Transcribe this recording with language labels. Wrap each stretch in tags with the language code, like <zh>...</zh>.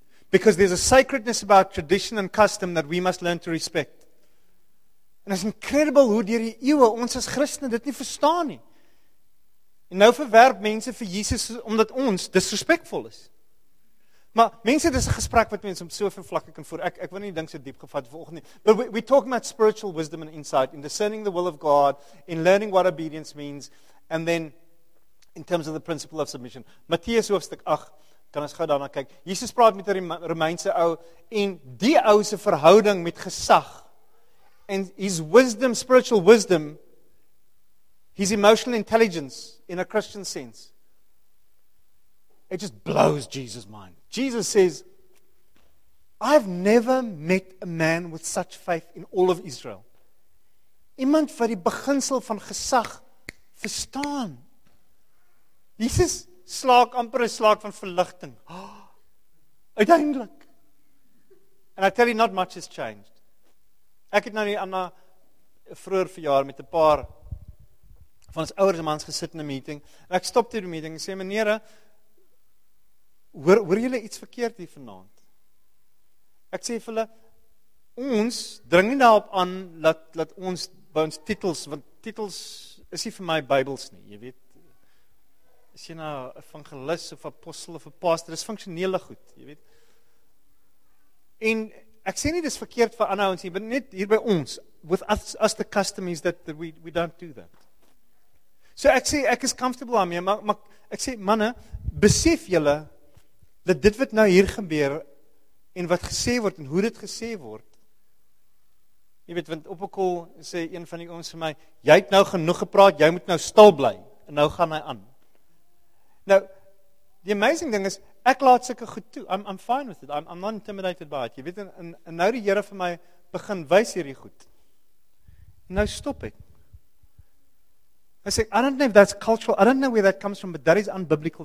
<en>Because there's a sacredness about tradition and custom that we must learn to respect.</en> <af>En is incredible hoe deur die eeue ons as Christene dit nie verstaan nie. En nou verwerp mense vir Jesus omdat ons disrespectful is. Maar mense, dit is 'n gesprek wat mense om so veel vlakke kan voer. Ek wil nie die ding so diep gevat vanoggend nie.</af> <en>But we talk about spiritual wisdom and insight in discerning the will of God, in learning what obedience means, and then in terms of the principle of submission.</en> <af>Matteus hoofstuk 8, kan ons gou daarna kyk. Jesus praat met 'n Romeinse ou en die ou se verhouding met gesag</af> <en>and his wisdom, spiritual wisdom, his emotional intelligence in a Christian sense. It just blows Jesus' mind. Jesus says, I've never met a man with such faith in all of Israel.</en> <af>Iemand vir die beginsel van gesag verstaan. Jesus slaak, amper een slaak van verligting. Oh, uiteindelik.</af> <en>And I tell you, not much has changed.</en> <af>Ek het nou nie aan een vroeger verjaar met een paar van ons ouders en mans gesit in een meeting. En ek stopte die meeting en sê, meneere, Hoor julle iets verkeerd hier vanavond? Ek sê vir hulle, ons dring nie daarop aan, laat ons by ons titels, want titels is nie vir my bybels nie, jy weet. as jy nou 'n evangelis of 'n apostel of 'n pastor is, funksionele goed, jy weet. En ek sê nie dis verkeerd vir ander ouens nie, maar net hier by ons,</af> <en>with us the custom is that we don't do that.</en> <af>So ek sê ek is comfortable daarmee, maar ek sê manne, besef julle dat dit wat nou hier gebeur en wat gesê word en hoe dit gesê word. Jy weet, want op 'n call sê een van die ouens vir my, jy het nou genoeg gepraat, jy moet nou stil bly en nou gaan hy aan. Nou, die amazing ding is, ek laat sulke goed toe.</af> <en>I'm fine with it. I'm not intimidated by it.</en> <af>Jy weet, en nou die Here vir my begin wys hierdie goed. Nou stop ek.</af> <en>I say, I don't know if that's cultural. I don't know where that comes from, but that is unbiblical.</en>